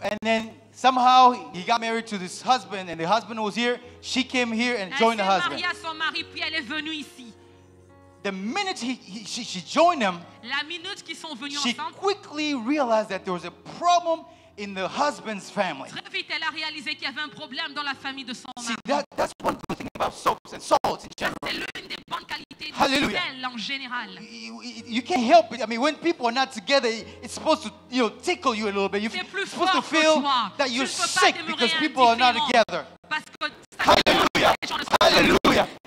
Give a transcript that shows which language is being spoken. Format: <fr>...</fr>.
<en>And then somehow he got married to this husband, and the husband was here. She came here and</en> <fr>elle</fr> <en>joined the husband.</en> <fr>Mariée à son mari, puis elle est venue ici.</fr> <en>The minute she joined him,</en> <fr>la minute qu'ils sont venus</fr> <en>she</en> <fr>ensemble,</fr> <en>quickly realized that there was a problem in the husband's family.</en> <fr>Très vite, elle a réalisé qu'il y avait un problème dans la famille de son mari.</fr> <en>See, that's one good thing about soaps and salt in general.</en> <fr>C'est l'une des bonnes qualités de sel en général.</fr> <en>You can't help it. I mean, when people are not together, it's supposed to, you know, tickle you a little bit. You're supposed to feel that you're sick because people are not together.</en> <fr>Parce que hallelujah! Hallelujah!</fr>